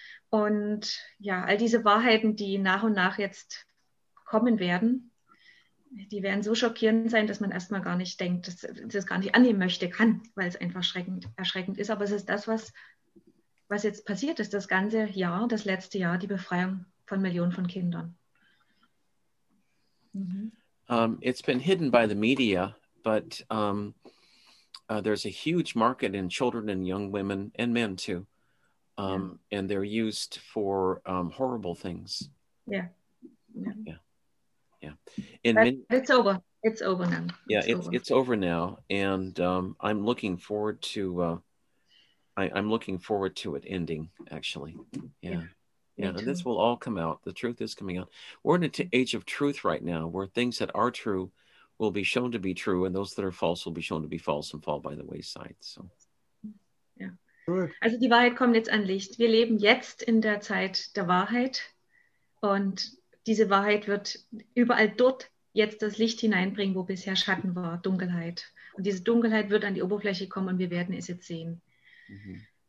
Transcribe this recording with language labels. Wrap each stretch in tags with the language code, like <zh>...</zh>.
<de>Und ja, all diese Wahrheiten, die nach und nach jetzt kommen werden, die werden so schockierend sein, dass man erstmal gar nicht denkt, dass es das gar nicht annehmen möchte, kann, weil es einfach erschreckend ist. Aber es ist das, was jetzt passiert ist, das ganze Jahr, das letzte Jahr, die Befreiung von Millionen von Kindern.</de> <en>It's been hidden by the media, but there's a huge market in children and young women and men too. And they're used for horrible things. It's over. It's over now. It's over now. And I'm looking forward to I'm looking forward to it ending, actually. And this will all come out. The truth is coming out. We're in an age of truth right now, where things that are true will be shown to be true, and those that are false will be shown to be false and fall by the wayside. So,</en> <de>Also die Wahrheit kommt jetzt an Licht. Wir leben jetzt in der Zeit der Wahrheit, und diese Wahrheit wird überall dort jetzt das Licht hineinbringen, wo bisher Schatten war, Dunkelheit. Und diese Dunkelheit wird an die Oberfläche kommen, und wir werden es jetzt sehen. Mhm.</de>